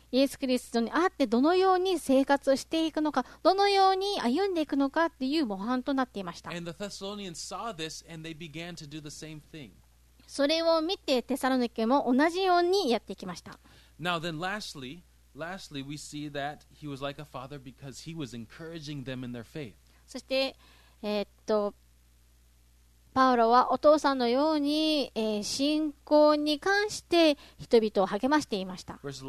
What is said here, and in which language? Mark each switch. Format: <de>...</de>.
<ja>イエス・キリストに会ってどのように生活をしていくのか、どのように歩んでいくのかっていう模範となっていました。</ja> <en>And the Thessalonians saw this and they began to do the same thing.</en> <ja>それを見てテサロニケも同じようにやっていきました。</ja> <en>Now then lastly we see that he was like a father because he was encouraging them in their faith.</en> <ja>そしてパウロはお父さんのように、信仰に関して人々を励ましていました。</ja>